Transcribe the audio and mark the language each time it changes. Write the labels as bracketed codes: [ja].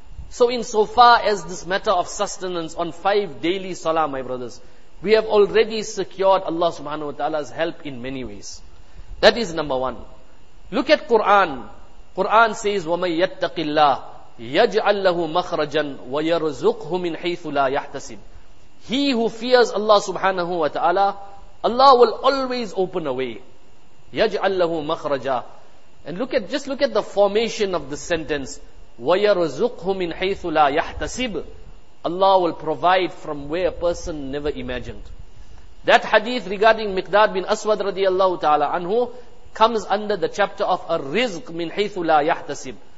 [en] So insofar as this matter of sustenance on 5 daily salah, my brothers, we have already secured Allah subhanahu wa ta'ala's help in many ways. That is number one. Look at Quran. Quran says, [ar] وَمَنْ يَتَّقِ اللَّهِ يَجْعَلْ لَهُ مَخْرَجًا وَيَرْزُقْهُ مِنْ حَيْثُ لَا يَحْتَسِبْ. [en] He who fears Allah subhanahu wa ta'ala, Allah will always open a way. [ar] يَجْعَلْ لَهُ مَخْرَجًا. [en] And look at, just look at the formation of the sentence. [ar] وَيَرْزُقْهُ مِنْ حَيْثُ لَا يَحْتَسِبْ. [en] Allah will provide from where a person never imagined. That hadith regarding Miqdad bin Aswad radiallahu ta'ala anhu comes under the chapter of [ar] الرِّزْقُ مِنْ حَيْثُ لَا يَحْتَسِبْ.